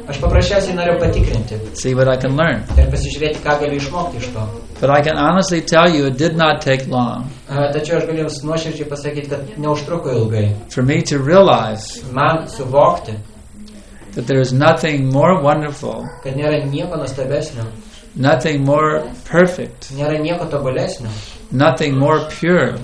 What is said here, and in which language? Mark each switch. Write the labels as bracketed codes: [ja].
[lt] Aš paprasčiausiai noriu patikrinti. [en] See what I can learn. [lt] Ir pasižiūrėti, ką galiu išmokti iš to. [en] But I can honestly tell you it did not take long. [lt] Tačiau aš galiu jums nuoširdžiai pasakyti, kad neužtruko ilgai. [en] For me to realize [lt] man suvokti [en] that there is nothing more wonderful, [lt] kad nėra nieko nuostabesnio, [en] nothing more perfect, [lt] nėra nieko tobulesnio, [en] nothing more pure,